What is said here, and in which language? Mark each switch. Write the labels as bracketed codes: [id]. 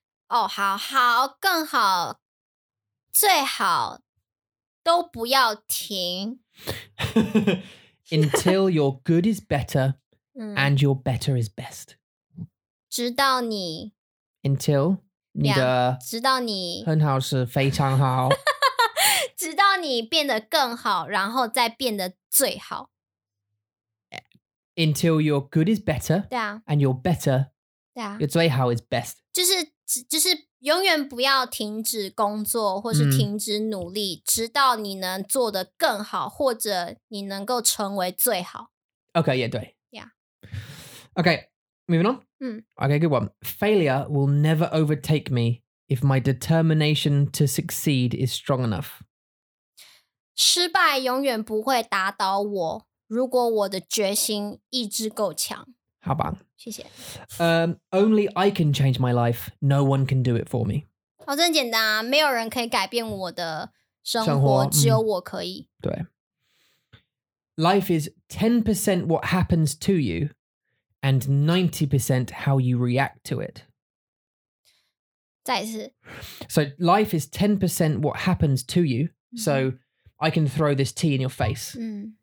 [zh] Oh, 好好更好最好都不要停 [en] Until your good is better and your better is best. [zh] 直到你 [en] Until [zh] 你的直到你很好是非常好直到你变得更好然后再变得最好 [en] Until your good is better, and your better, your 最好 is best. [zh] 就是永远不要停止工作或是停止努力，直到你能做得更好，或者你能够成为最好。 [en] Okay, yeah, 对。 Yeah. Okay, moving on. Okay, good one. Failure will never overtake me if my determination to succeed is strong enough. [zh] 失败永远不会打倒我。如果我的决心意志够强，好棒，谢谢。 [en] Only I can change my life. No one can do it for me. [zh] 哦，真简单啊，没有人可以改变我的生活只有我可以、嗯、 [en] 对 Life is 10% what happens to you and 90% how you react to it [zh] 再一次 [en] So life is 10% what happens to you、mm-hmm. So I can throw this tea in your face、mm.